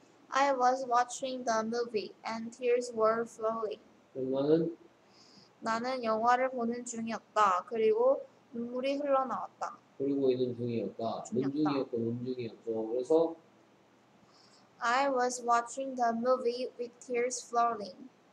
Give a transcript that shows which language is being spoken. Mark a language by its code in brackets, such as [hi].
[en] I was watching the movie and tears were flowing. [ko] 나는 영화를 보는 중이었다. 그리고 눈물이 흘러나왔다. 그리고 있는 중이었다. 눈 중이었고. 그래서 [en] I was watching the movie with tears flowing.